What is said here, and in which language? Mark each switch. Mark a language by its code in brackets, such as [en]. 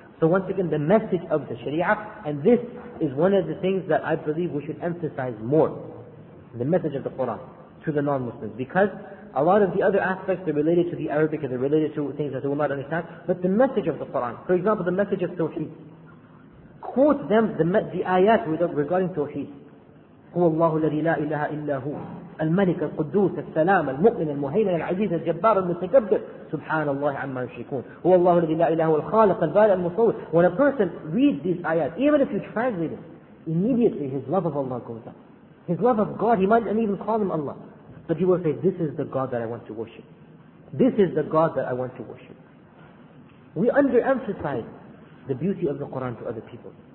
[en] So once again, the message of the Sharia, and this is one of the things that I believe we should emphasize more, the message of the Quran to the non-Muslims. Because a lot of the other aspects are related to the Arabic and they're related to things that they will not understand. But the message of the Quran, for example, the message of Tawheed. Quote them the ayat regarding Tawheed. [ar] هو الله الذي لا إله إلا هو الملك القدوس السلام المؤمن المهيمن العزيز الجبار المتكبر سبحان الله عما يشركون هو الله الذي لا إله هو الخالق البارئ المصور. [en] When a person reads these ayat, even if you translate it, immediately his love of Allah goes up. His love of God, he might not even call him Allah. But he will say, this is the God that I want to worship. This is the God that I want to worship. We underemphasize the beauty of the Quran to other people.